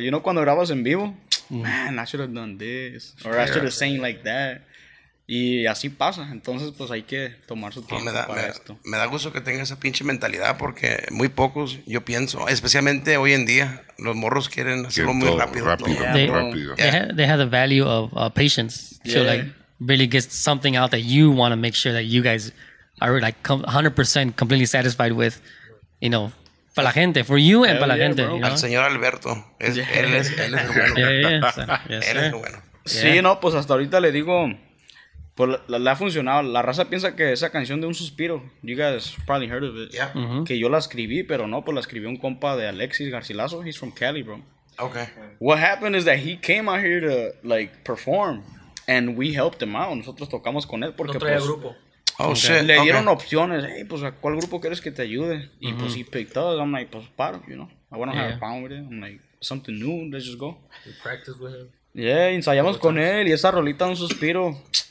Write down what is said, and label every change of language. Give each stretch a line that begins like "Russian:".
English: You know
Spanish: cuando grabas en vivo,
English: man, I should have done this or I should have sang like that.
Spanish: Y así pasa. Entonces, pues hay que tomar su tiempo esto. Me da gusto que tenga esa pinche mentalidad porque muy pocos, yo pienso, especialmente hoy en día, los morros quieren hacerlo muy rápido.
English: They have the value of patience. Yeah. So, like, really get something out that you want to make sure that you guys are, like, 100% completely satisfied with, you know,
Spanish: para la gente,
English: for you and para la gente. You know?
Spanish: Al señor Alberto. Él es bueno. Sí, no, pues hasta ahorita le digo... Pues le ha funcionado. La raza piensa que esa canción de un suspiro,
English: you guys probably heard of it, yeah. Mm-hmm.
Spanish: Que yo la escribí, pero no, pues la escribió un compa de Alexis Garcilaso.
English: He's from Cali, bro. Okay. What happened is that he came out here to, like, perform, and we helped him out.
Spanish: Nosotros tocamos con él porque, no traía grupo.
English: Oh, okay. Shit.
Spanish: Le dieron opciones. Hey, pues, ¿a cuál grupo quieres que te ayude?
English: Y, pues, he picked us. I'm like,
Spanish: pues, paro,
English: you know. I want to have a pound with it. I'm like, something new, let's just go. We practiced with him.
Spanish: Yeah, ensayamos con él, y esa rolita de un suspiro...